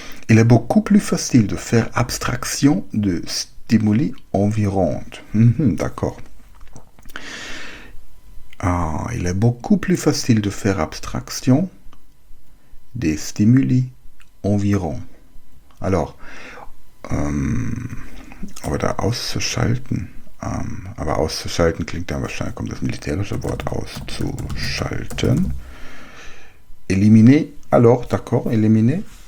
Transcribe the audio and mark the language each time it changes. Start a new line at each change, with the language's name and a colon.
French: Il est beaucoup plus facile de faire abstraction de stimuli environnants. D'accord. Il est beaucoup plus facile de faire abstraction des stimuli environnants.
German: Alors, oder auszuschalten. Aber auszuschalten klingt dann wahrscheinlich, kommt das militärische Wort auszuschalten.
French: Éliminer, alors, d'accord, éliminer.